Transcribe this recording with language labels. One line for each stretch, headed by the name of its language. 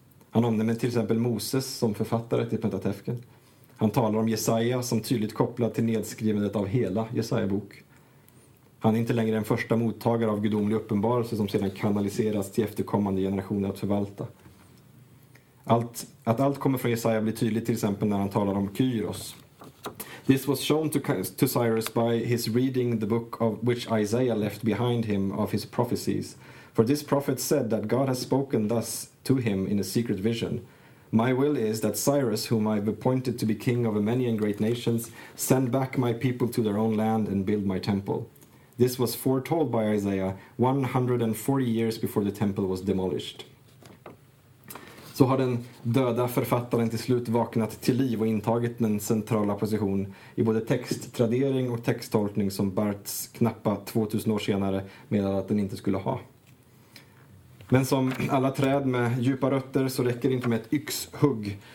Swedish: Han omnämner till exempel Moses som författare till Pentateuken. Han talar om Jesaja som tydligt kopplad till nedskrivandet av hela Jesaja-bok. Han är inte längre den första mottagare av gudomlig uppenbarelse som sedan kanaliseras till efterkommande generationer att förvalta. Att allt kommer från Jesaja blir tydligt till exempel när han talar om Kyros.
English: This was shown to Cyrus by his reading the book of which Isaiah left behind him of his prophecies. For this prophet said that God has spoken thus to him in a secret vision. My will is that Cyrus, whom I have appointed to be king over many and great nations, send back my people to their own land and build my temple. This was foretold by Isaiah 140 years before the temple was demolished.
Swedish: Så har den döda författaren till slut vaknat till liv och intagit den centrala position i både texttradering och texttolkning som Barthes knappa 2000 år senare menade att den inte skulle ha. Men som alla träd med djupa rötter så räcker det inte med ett yxhugg.